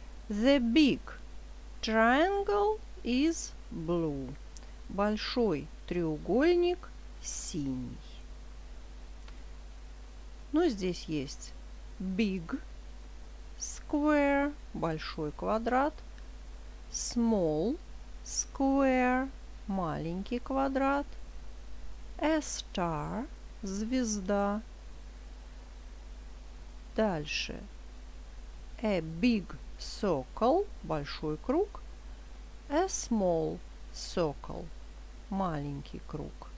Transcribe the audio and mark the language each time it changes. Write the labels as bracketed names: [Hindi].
[English] The big triangle is blue. [Russian] Большой треугольник синий. Ну, здесь есть [English] big square, [Russian] большой квадрат, [English] small square, [Russian] маленький квадрат, [English] a star, [Russian] звезда. Дальше. [English] A big circle, [Russian] большой круг, [English] a small circle, [Russian] маленький круг.